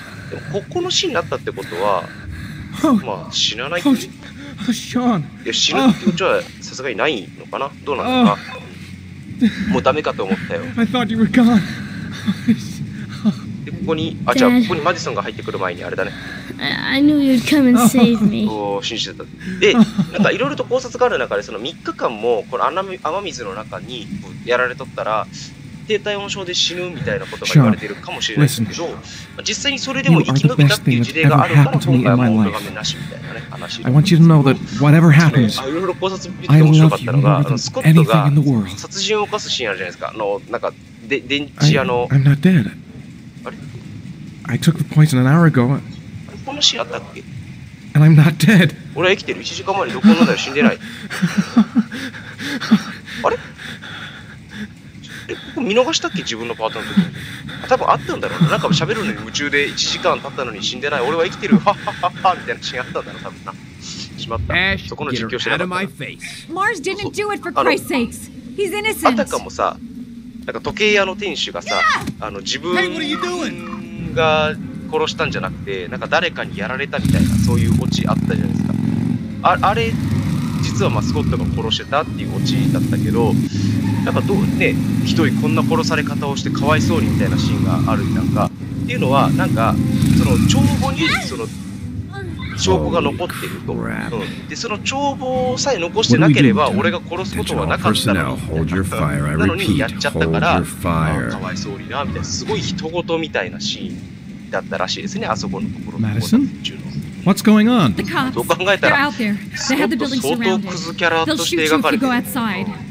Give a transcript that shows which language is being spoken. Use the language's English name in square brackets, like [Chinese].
[Japanese] でも、ここのシーンになったってことは、まあ、死なないって [English] 。 Sean! [Japanese] いや、死ぬってことは、さすがにないのかな？どうなのか。もうダメかと思ったよ。 [English] I thought you were gone. [Japanese] で、ここに、あ、じゃあ、ここにマディソンが入ってくる前に、あれだね。 [English] I knew you'd come and save me. [Japanese] おー、信じてた。で、なんかいろいろと考察がある中で、その3日間もこの雨水の中にやられとったら低体温症で死ぬみたいなことが言われているかもしれないけど、実際にそれでも生き延びたっていう事例があるから、今回はもう眺めなしみたいなね、話。 [English] I want you to know that whatever happens, [Japanese] いろいろ考察見て面白かったのが、スコットが殺人を犯すシーンあるじゃないですか。なんか電池屋の。 [English] I'm not dead. [Japanese] あれ？ [English] I took the poison an hour ago. [Japanese] このシーンあったっけ？ [English] And I'm not dead. [Japanese] 俺は生きてる。 1時間前にどこなんだよ、死んでない。あれ？ここ見逃したっけ、自分のパートの時に。多分あったんだろうな。なんか喋るのに夢中で1時間経ったのに死んでない。俺は生きてる。ハッハッハッハみたいなシーンあったんだろう、多分な。しまった。そこの実況してなかったな。 [English] Mars didn't do it for Christ's sakes. He's innocent. [Japanese] あたかもさ、なんか時計屋の店主がさ、自分が殺したんじゃなくて、なんか誰かにやられたみたいな、そういうオチあったじゃないですか。あれ、実はマスコットが殺してたっていうオチだったけど、なんかどうね、ひどいこんな殺され方をしてかわいそうにみたいなシーンがあるなんかっていうのは、なんかその帳簿にその帳簿が残ってると、うん、でその帳簿さえ残してなければ俺が殺すことはなかったのに、なのにやっちゃったからかわいそうになみたいな、すごい人事みたいなシーンだったらしいですね、あそこのところ。 [English] Madison? What's going on? The cops. They're out there. They had the building surrounded. They'll shoot you if you go outside.